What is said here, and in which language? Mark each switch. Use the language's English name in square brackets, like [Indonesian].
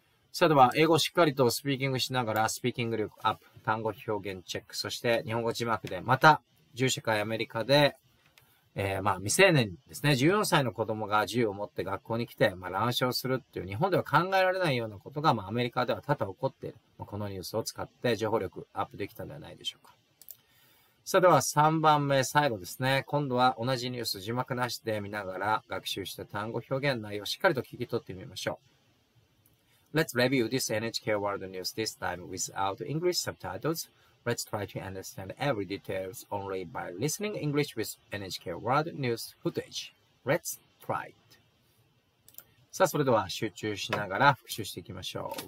[Japanese] それでは、英語をしっかりとスピーキングしながら、スピーキング力アップ、単語表現チェック、そして日本語字幕で、また、銃社会アメリカで、まあ未成年ですね、14歳の子供が銃を持って学校に来て、まあ、乱射するっていう日本では考えられないようなことが、まあ、アメリカでは多々起こっている、まあ、このニュースを使って情報力アップできたのではないでしょうか。さあでは3番目最後ですね、今度は同じニュース字幕なしで見ながら学習した単語表現内容をしっかりと聞き取ってみましょう。 [English] Let's review this NHK World News this time without English subtitlesLet's try to understand every details only by listening English with NHK World News footage. Let's try it. [Japanese] さあ、それでは集中しながら復習していきましょう。